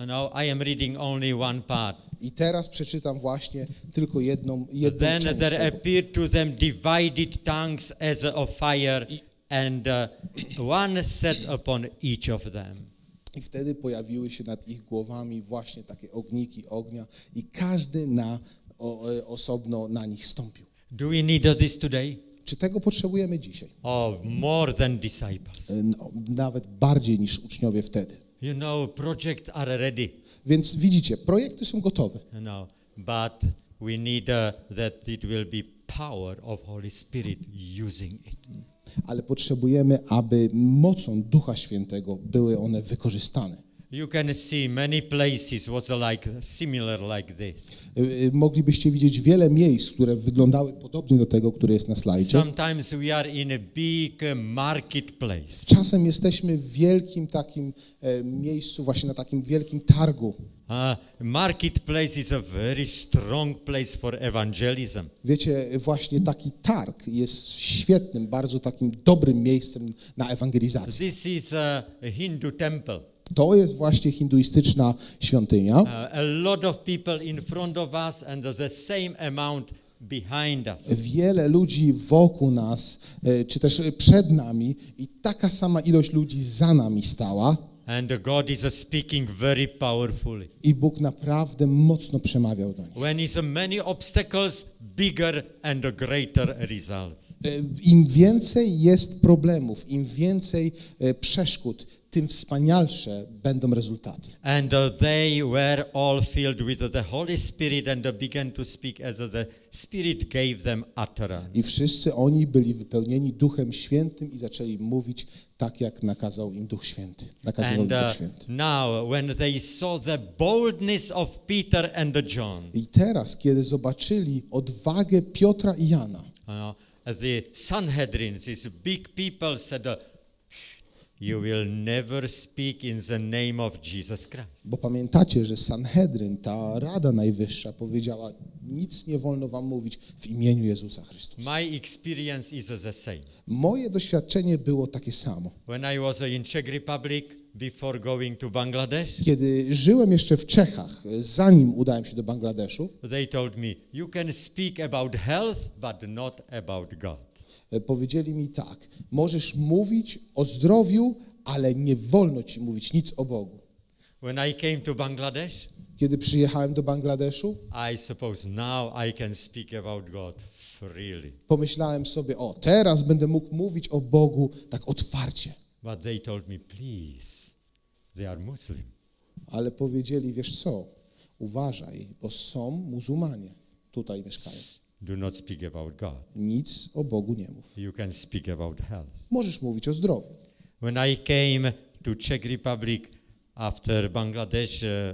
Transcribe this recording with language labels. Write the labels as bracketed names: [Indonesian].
[English] No, I am reading only one part. [Polish] I teraz przeczytam właśnie tylko jedną [English] then [Polish] część. [English] Then there appeared to them divided tongues as of fire, and one set upon each of them. [Polish] I wtedy pojawiły się nad ich głowami właśnie takie ogniki ognia, i każdy osobno na nich stąpił. [English] Do we need this today? [Polish] Czy tego potrzebujemy dzisiaj? [English] Oh, more than disciples. [Polish] No, nawet bardziej niż uczniowie wtedy. [English] You know, projects are ready. [Polish] Więc widzicie, projekty są gotowe. [English] No, but we need that it will be power of Holy Spirit using it. [Polish] Ale potrzebujemy, aby mocą Ducha Świętego były one wykorzystane. [English] You can see many places was like similar like this. [Polish] Moglibyście widzieć wiele miejsc, które wyglądały podobnie do tego, które jest na slajdzie. [English] Sometimes we are in a big marketplace. [Polish] Czasem jesteśmy w wielkim takim miejscu, właśnie na takim wielkim targu. [English] Marketplace is a very strong place for evangelism. [Polish] Wiecie, właśnie taki targ jest świetnym, bardzo takim dobrym miejscem na ewangelizację. [English] This is a Hindu temple. [Polish] To jest właśnie hinduistyczna świątynia. [English] A lot of people in front of us and the same amount behind us. [Polish] Wiele ludzi wokół nas, czy też przed nami, i taka sama ilość ludzi za nami stała. [English] And God is speaking very powerfully. [Polish] I Bóg naprawdę mocno przemawiał do nich. [English] When is many obstacles, bigger and greater results. [Polish] Im więcej jest problemów, im więcej przeszkód, tym wspanialsze będą rezultaty. [English] And they were all filled with the Holy Spirit and began to speak as the Spirit gave them utterance. [Polish] I wszyscy oni byli wypełnieni Duchem Świętym i zaczęli mówić tak, jak nakazał im Duch Święty. [English] Now, when they saw the boldness of Peter and John. [Polish] I teraz, kiedy zobaczyli odwagę Piotra i Jana. [English] The Sanhedrin, these big people said, you will never speak in the name of Jesus Christ. [Polish] Bo pamiętacie, że Sanhedryn, ta Rada Najwyższa, powiedziała, nic nie wolno wam mówić w imieniu Jezusa Chrystusa. [English] My experience is the same. [Polish] Moje doświadczenie było takie samo. [English] When I was in Czech Republic before going to Bangladesh. [Polish] Kiedy żyłem jeszcze w Czechach, zanim udałem się do Bangladeszu. [English] They told me, you can speak about health, but not about God. [Polish] Powiedzieli mi tak, możesz mówić o zdrowiu, ale nie wolno ci mówić nic o Bogu. [English] When I came to Bangladesh, [Polish] kiedy przyjechałem do Bangladeszu, [English] I suppose now I can speak about God freely. [Polish] Pomyślałem sobie, o, teraz będę mógł mówić o Bogu tak otwarcie. [English] But they told me, please, they are Muslim. [Polish] Ale powiedzieli, wiesz co, uważaj, bo są muzułmanie tutaj mieszkają. [English] Do not speak about God. [Polish] Nic o Bogu nie mów. [English] You can speak about health. [Polish] Możesz mówić o zdrowiu. [English] When I came to Czech Republic after Bangladesh,